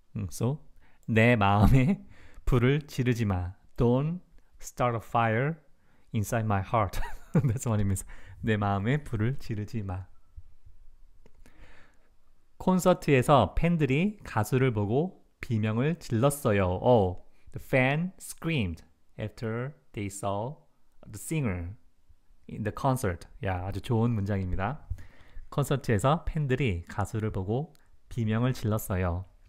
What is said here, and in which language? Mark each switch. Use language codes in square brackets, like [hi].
[ko] So 내 마음에 불을 지르지 마. [en] Don't start a fire inside my heart. That's what it means. [ko] 내 마음에 불을 지르지 마. 콘서트에서 팬들이 가수를 보고 비명을 질렀어요. [en] Oh, the fan screamed after they saw the singer in the concert. [ko] 야, 아주 좋은 문장입니다. 콘서트에서 팬들이 가수를 보고 비명을 질렀어요.